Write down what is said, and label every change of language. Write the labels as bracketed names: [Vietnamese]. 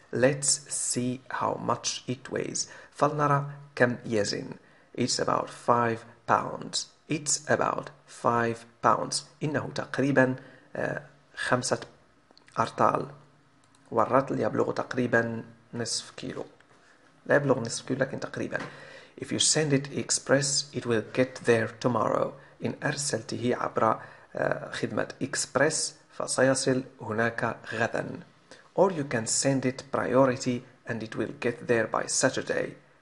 [English] Let's see how much it weighs. [Arabic] فلنرى كم يزن. [English] It's about 5 pounds. It's about 5 pounds. [Arabic] إنه تقريبا 5 أرطال. والرطل يبلغ تقريبا نصف كيلو. لا يبلغ نصف كيلو لكن تقريبا. [English] If you send it express, it will get there tomorrow. [Arabic] إن أرسلته عبر خدمة express فسيصل هناك غدا. [English] Or you can send it priority and it will get there by Saturday.